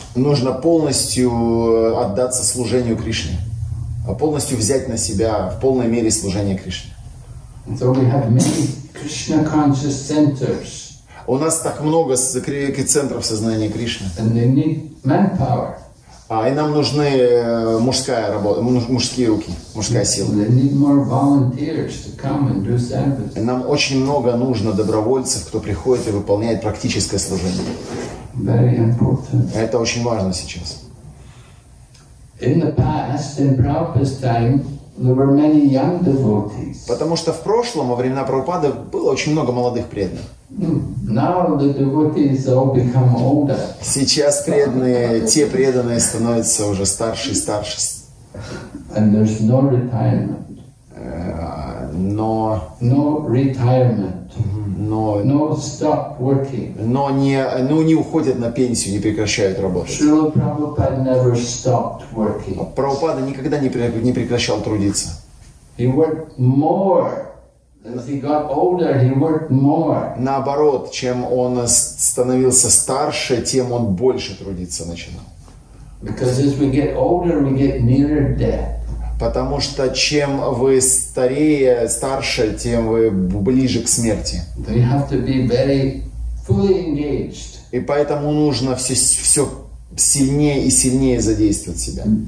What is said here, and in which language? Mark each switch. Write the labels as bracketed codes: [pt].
[ru] Нужно полностью отдаться служению Кришне, полностью взять на себя в полной мере служение Кришне. [en] So we have many Krishna conscious centers. [ru] У нас так много центров сознания Кришны. [en] And they need manpower. [ru] И нам нужны мужская работа, мужские руки, мужская сила. [en] They need more volunteers to come and do service. [ru] Нам очень много нужно добровольцев, кто приходит и выполняет практическое служение. [en] Very important. [ru] Это очень важно сейчас. [en] In the past, in Prabhupada's time, there were many young devotees. [ru] Потому что в прошлом, во времена Прабхупады, было очень много молодых преданных. [en] Now the devotees all become older. [ru] Сейчас преданные, те преданные становятся уже старше и старше. [en] And there's no retirement. No retirement. No stop working. [ru] Но не уходят на пенсию, не прекращают работать. [en] Srila Prabhupada never stopped working. [ru] Прабхупада никогда не прекращал трудиться. [en] He worked more. As he got older, he worked more. [ru] Наоборот, чем он становился старше, тем он больше трудиться начинал. [en] Because as we get older, we get nearer death. [ru] Потому что чем вы старее, старше, тем вы ближе к смерти. [en] So you have to be very fully engaged. [ru] И поэтому нужно все сильнее и сильнее задействовать себя.